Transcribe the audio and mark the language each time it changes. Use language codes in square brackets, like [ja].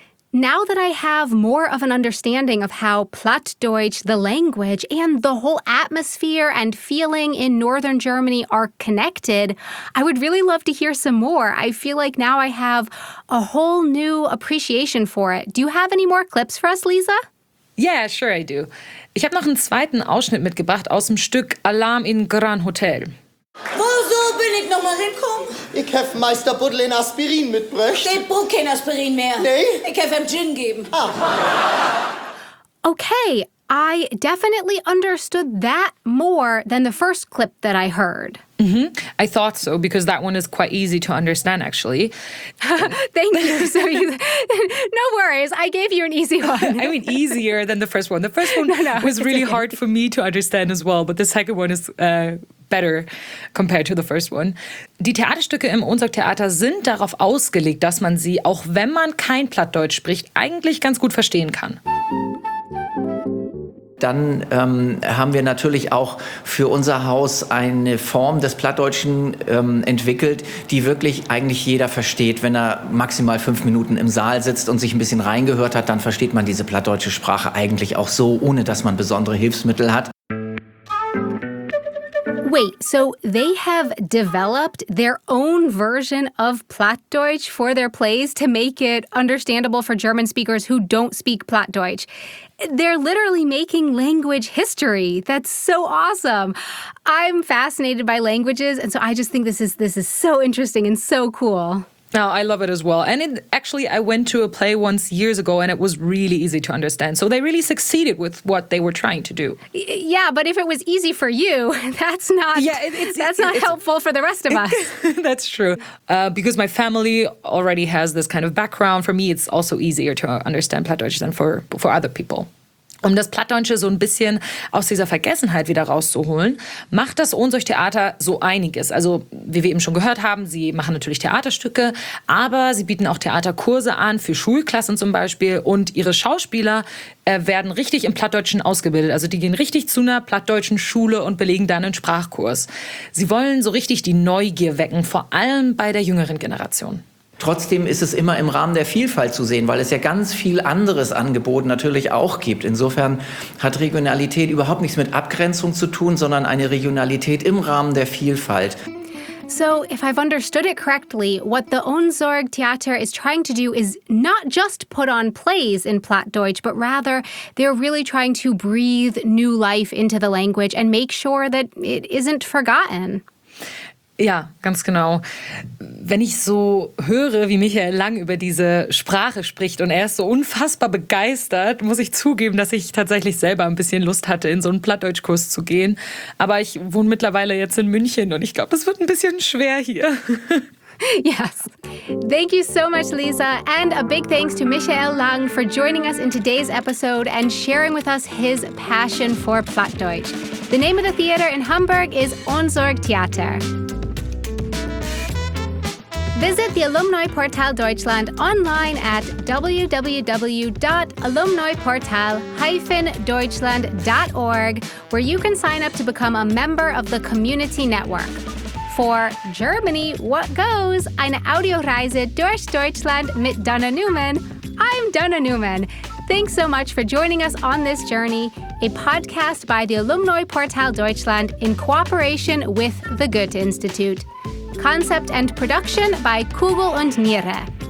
[en] Now that I have more of an understanding of how Plattdeutsch, the language, and the whole atmosphere and feeling in Northern Germany are connected, I would really love to hear some more. I feel like now I have a whole new appreciation for it. Do you have any more clips for us, Lisa? Yeah, sure I do. [de] Ich habe noch einen zweiten Ausschnitt mitgebracht aus dem Stück Alarm in Grand Hotel. Wo so bin ich nochmal hinkommen? Ich habe Meister Buddel in Aspirin mitbrächt. Ich brauche kein Aspirin mehr. Nee? Ich habe ihm Gin geben. Ah. [en] Okay, I definitely understood that more than the first clip that I heard. Mm-hmm. I thought so, because that one is quite easy to understand, actually. Thank you. So you. No worries. I gave you an easy one. I mean, easier than the first one. The first one was really hard for me to understand as well, but the second one is better compared to the first one. [de] Die Theaterstücke im Unsorgtheater sind darauf ausgelegt, dass man sie, auch wenn man kein Plattdeutsch spricht, eigentlich ganz gut verstehen kann. Dann haben wir natürlich auch für unser Haus eine Form des Plattdeutschen entwickelt, die wirklich eigentlich jeder versteht. Wenn er maximal 5 Minuten im Saal sitzt und sich ein bisschen reingehört hat, dann versteht man diese plattdeutsche Sprache eigentlich auch so, ohne dass man besondere Hilfsmittel hat. [en] Wait, so they have developed their own version of Plattdeutsch for their plays to make it understandable for German speakers who don't speak Plattdeutsch. They're literally making language history. That's so awesome. I'm fascinated by languages, and so I just think this is so interesting and so cool. No, I love it as well. And I went to a play once years ago and it was really easy to understand. So they really succeeded with what they were trying to do. Yeah, but if it was easy for you, that's not helpful for the rest of us. That's true. Because my family already has this kind of background, for me it's also easier to understand Plattdeutsch than for other people. [de] Um das Plattdeutsche so ein bisschen aus dieser Vergessenheit wieder rauszuholen, macht das Unsorgtheater so einiges. Also, wie wir eben schon gehört haben, sie machen natürlich Theaterstücke, aber sie bieten auch Theaterkurse an, für Schulklassen zum Beispiel. Und ihre Schauspieler werden richtig im Plattdeutschen ausgebildet. Also, die gehen richtig zu einer plattdeutschen Schule und belegen dann einen Sprachkurs. Sie wollen so richtig die Neugier wecken, vor allem bei der jüngeren Generation. Trotzdem ist es immer im Rahmen der Vielfalt zu sehen, weil es ja ganz viel anderes Angebot natürlich auch gibt. Insofern hat Regionalität überhaupt nichts mit Abgrenzung zu tun, sondern eine Regionalität im Rahmen der Vielfalt. [en] So, if I've understood it correctly, what the Unsorgtheater is trying to do is not just put on plays in Plattdeutsch, but rather they're really trying to breathe new life into the language and make sure that it isn't forgotten. [de] Ja, ganz genau. Wenn ich so höre, wie Michael Lang über diese Sprache spricht und er ist so unfassbar begeistert, muss ich zugeben, dass ich tatsächlich selber ein bisschen Lust hatte, in so einen Plattdeutschkurs zu gehen. Aber ich wohne mittlerweile jetzt in München und ich glaube, das wird ein bisschen schwer hier. [en] Yes. Thank you so much, Lisa. And a big thanks to Michael Lang for joining us in today's episode and sharing with us his passion for Plattdeutsch. The name of the theater in Hamburg is Unsorgtheater. Visit the Alumni Portal Deutschland online at www.alumniportal-deutschland.org, where you can sign up to become a member of the community network. For Germany, what goes? [de] Eine Audioreise durch Deutschland mit Donna Newman. [en] I'm Donna Newman. Thanks so much for joining us on this journey, a podcast by the Alumni Portal Deutschland in cooperation with the Goethe-Institut. Concept and production by Kugel und Niere.